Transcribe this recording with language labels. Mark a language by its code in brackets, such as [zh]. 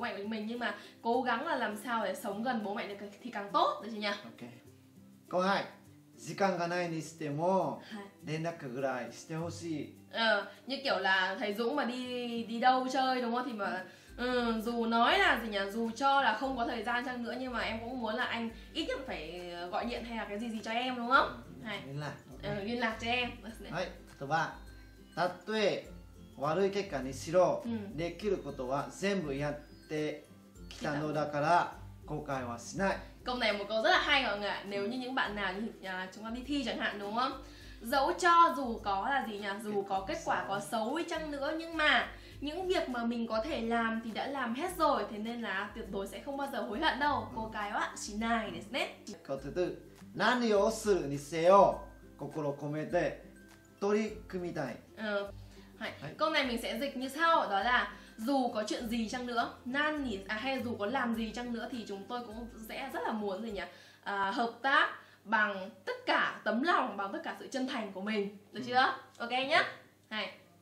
[vi] Bố mẹ với mình nhưng mà cố gắng là làm sao để sống gần bố mẹ được thì càng tốt được chứ nhỉ? Ok. Câu 2. [ja] 時間がないにしても連絡ぐらいしてほしい。 [vi] như kiểu là thầy Dũng mà đi đi đâu chơi đúng không thì mà dù nói là gì nhỉ, dù cho là không có thời gian chăng nữa nhưng mà em cũng muốn là anh ít nhất phải gọi điện hay là cái gì cho em đúng không? Liên lạc cho em. [ja] Hai, [vi] thứ ba, [ja] たとえ悪い結果にしろできることは全部やってきたのだから後悔はしない。 [vi] Câu này một câu rất là hay mọi người ạ. Nếu như những bạn nào như chúng ta đi thi chẳng hạn đúng không? Dẫu cho dù có là gì nhỉ? Dù có kết quả có xấu hay chăng nữa nhưng mà những việc mà mình có thể làm thì đã làm hết rồi, thế nên là tuyệt đối sẽ không bao giờ hối hận đâu. Cô cái ạ, chỉ này ですね. Câu thứ tư. [ja] 何をするにせよ心込めて取り組みたい. [vi] Câu này mình sẽ dịch như sau, đó là dù có chuyện gì chăng nữa, nan nhỉ, hay dù có làm gì chăng nữa thì chúng tôi cũng sẽ rất là muốn gì nhỉ, hợp tác bằng tất cả tấm lòng, bằng tất cả sự chân thành của mình, được chưa? Ok nhá. Hai.